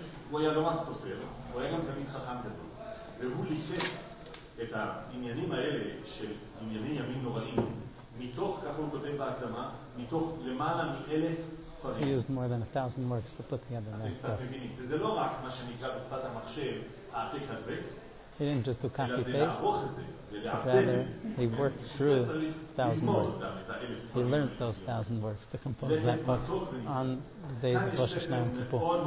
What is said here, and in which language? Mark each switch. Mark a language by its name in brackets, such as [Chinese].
[Hebrew] הוא היה לא רק סופר, הוא היה גם תמיד חכם גדול. והוא ליפה את העניינים האלה של ענייני ימים נוראים, מתוך, ככה הוא כותב בהקדמה, מתוך למעלה מ-1,000 ספרים. [English] He used more than 1,000 works to put together that stuff. [Hebrew] וזה לא רק מה שנקרא בשפת המחשב, העתק הדבק. [English] He didn't just do copy-paste, but rather he worked through 1,000 works. He learned those 1,000 works to compose that book on the days of Rosh Hashanah and Kippur.